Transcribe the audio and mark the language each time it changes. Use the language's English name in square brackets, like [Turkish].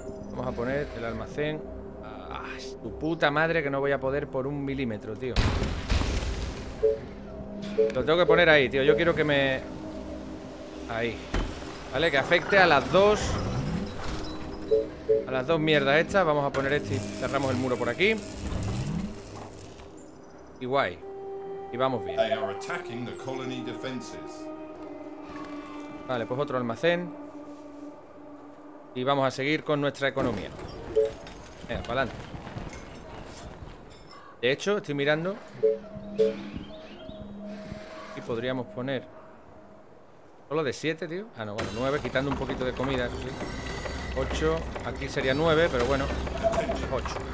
[Spanish] Vamos a poner el almacén. Ah, tu puta madre, que no voy a poder por un milímetro, tío. Lo tengo que poner ahí, tío. Yo quiero que me... ahí. Vale, que afecte a las dos. A las dos mierdas estas. Vamos a poner este y cerramos el muro por aquí. Y guay. Y vamos bien. [English] They are attacking the colony defenses. [Spanish] Vale, pues otro almacén. Y vamos a seguir con nuestra economía. Venga, para adelante. De hecho, estoy mirando. Y podríamos poner... solo de 7, tío. Ah, no, bueno, 9, quitando un poquito de comida, eso sí. 8, aquí sería 9, pero bueno. 8.